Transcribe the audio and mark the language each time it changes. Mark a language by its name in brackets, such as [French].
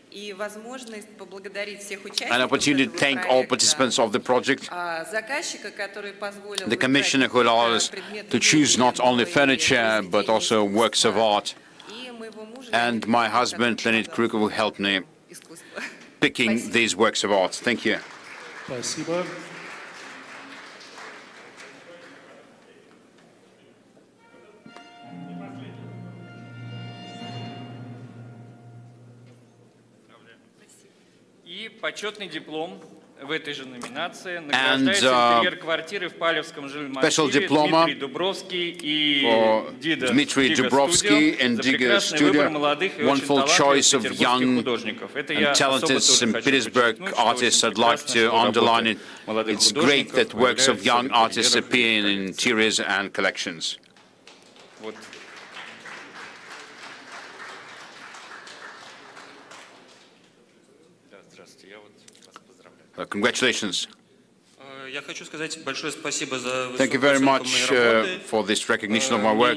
[Russian] И возможность поблагодарить всех участников. [English] An opportunity to thank all participants of the project. [Russian] Заказчика, который позволил. [English] The commissioner who allowed us to choose not only furniture but also works of art. [Russian] И моего мужа. [English] And my husband Леонид Крюков who helped me picking these works of art. Thank you. [Russian] Спасибо. Почетный диплом в этой же номинации награждается интерьер квартиры в Палевском жильном массиве Дмитрий Дубровский и Дида Дмитрий Дубровский и Дига Студио. [English] Wonderful choice of young and talented in Petersburg artists. I'd like to underline it. It's great that works of young artists appear in interiors and collections. Congratulations. [Russian] Я хочу сказать большое спасибо за. [English] Thank you very much for this recognition of my work.